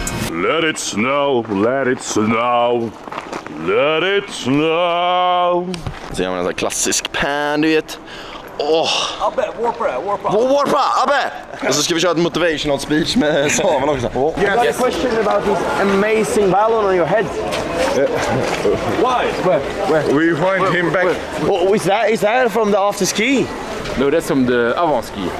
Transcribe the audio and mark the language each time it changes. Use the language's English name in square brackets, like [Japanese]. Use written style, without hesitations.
[English] Let it snow, let it snow, let it snow. [Swedish] Så jag har en sån klassisk pan, du vet. Åh! Abbe, warpa! Warpa, Abbe! Och så ska vi köra ett [English] motivational speech [Swedish] med Samen också. [English] You got a question about this amazing balloon on your head. Why? Where? We find him back. Is that from the after ski? No, that's from the avant ski.